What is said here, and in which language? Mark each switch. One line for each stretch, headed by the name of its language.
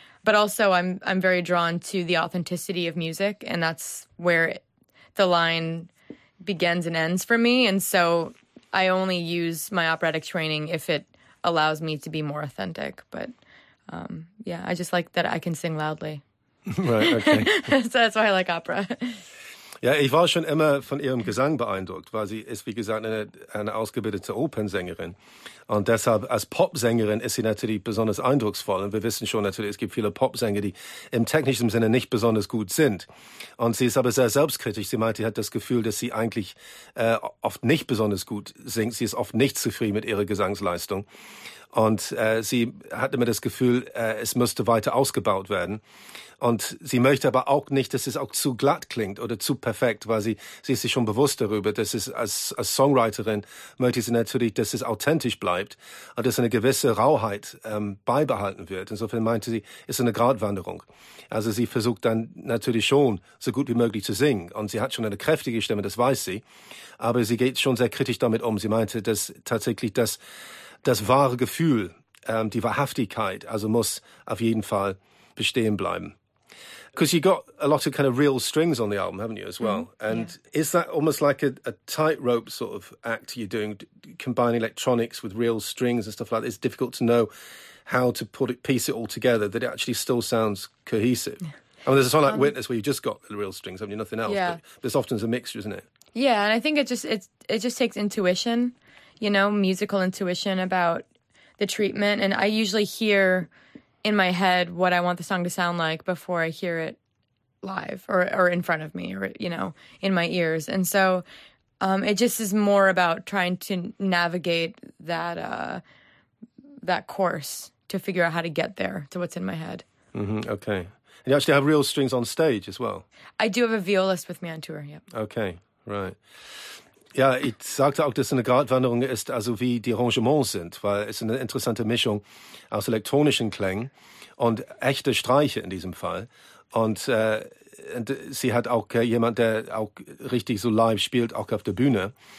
English: But also I'm very drawn to the authenticity of music, and that's where the line begins and ends for me. And so I only use my operatic training if it allows me to be more authentic. But I just like that I can sing loudly. Right, okay. So that's why I like opera.
German: Ja, ich war schon immer von ihrem Gesang beeindruckt, weil sie ist, wie gesagt, eine ausgebildete Opernsängerin. Und deshalb, als Popsängerin ist sie natürlich besonders eindrucksvoll. Und wir wissen schon natürlich, es gibt viele Popsänger, die im technischen Sinne nicht besonders gut sind. Und sie ist aber sehr selbstkritisch. Sie meinte, sie hat das Gefühl, dass sie eigentlich oft nicht besonders gut singt. Sie ist oft nicht zufrieden mit ihrer Gesangsleistung. Und sie hat immer das Gefühl, es müsste weiter ausgebaut werden. Und sie möchte aber auch nicht, dass es auch zu glatt klingt oder zu perfekt, weil sie ist sich schon bewusst darüber, dass es als Songwriterin möchte sie natürlich, dass es authentisch bleibt und dass eine gewisse Rauheit beibehalten wird. Insofern meinte sie, ist eine Gratwanderung. Also sie versucht dann natürlich schon, so gut wie möglich zu singen. Und sie hat schon eine kräftige Stimme, das weiß sie. Aber sie geht schon sehr kritisch damit um. Sie meinte, dass tatsächlich das wahre Gefühl, die Wahrhaftigkeit, also muss auf jeden Fall bestehen bleiben.
English: Because you got a lot of kind of real strings on the album, haven't you, as well? Mm-hmm. And yeah. Is that almost like a tightrope sort of act you're doing, combining electronics with real strings and stuff like that? It's difficult to know how to piece it all together, that it actually still sounds cohesive. Yeah. I mean, there's a song like Witness where you've just got the real strings, haven't you, nothing else. Yeah. But there's often a mixture, isn't it? Yeah, and I think it just takes intuition, you know, musical intuition about the treatment. And I usually hear in my head what I want the song to sound like before I hear it live or in front of me or, you know, in my ears. And so it just is more about trying to navigate that that course to figure out how to get there to what's in my head. Mm-hmm, okay. And you actually have real strings on stage as well? I do have a violist with me on tour, yep. Okay, right.
German: Ja, ich sagte auch, dass es eine Gratwanderung ist, also wie die Arrangements sind, weil es eine interessante Mischung aus elektronischen Klängen und echte Streiche in diesem Fall. Und sie hat auch jemand, der auch richtig so live spielt, auch auf der Bühne.